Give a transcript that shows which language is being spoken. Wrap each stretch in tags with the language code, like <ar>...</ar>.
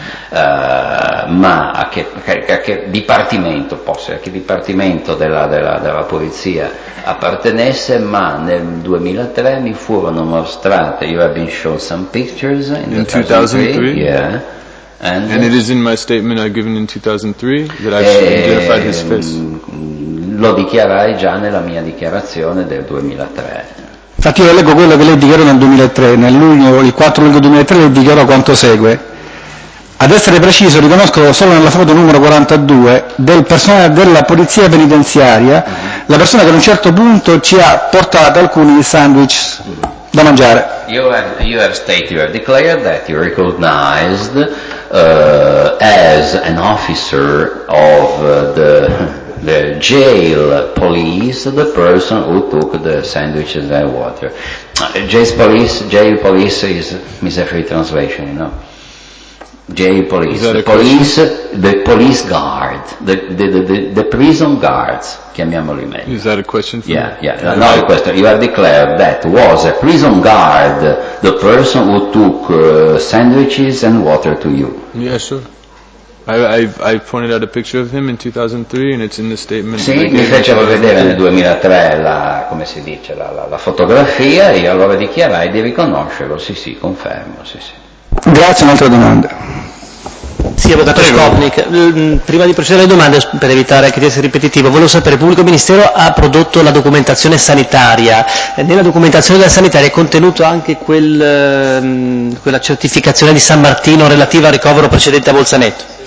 <it>Ma a che dipartimento posse, a che dipartimento della polizia appartenesse, ma nel 2003 mi furono mostrate,</it> <en>you have been shown some pictures in 2003. 2003? Yeah. And it is in my statement I've given in 2003 that I identified his face.</en> <it>Lo dichiarai già nella mia dichiarazione del 2003. Infatti io leggo quello che lei dichiarò nel 2003, nel luglio, il 4 luglio 2003 lei dichiarò quanto segue. Ad essere preciso, riconosco solo nella foto numero 42 del personale della polizia penitenziaria la persona che ad un certo punto ci ha portato alcuni sandwich da mangiare.</it> <en>You have declared that you recognized as an officer of the jail police the person who took the sandwiches and water. Jail police is a free translation, you know. Jail police. The police guard. The prison guards,</en> <it>chiamiamoli meglio.</it> <en>Is that a question for you? Yeah. Not a question. You have declared that was a prison guard the person who took sandwiches and water to you. Yeah, sure. I pointed out a picture of him in 2003 and it's in the statement.</en> <it>Sì, mi fecero vedere nel 2003 la fotografia e allora dichiarai di riconoscerlo. Sì, confermo, sì. Grazie, un'altra domanda. Sì, avvocato Skopnik, prima di procedere alle domande, per evitare che di essere ripetitivo, volevo sapere, il pubblico ministero ha prodotto la documentazione sanitaria, nella documentazione della sanitaria è contenuto anche quella certificazione di San Martino relativa al ricovero precedente a Bolzaneto?</it>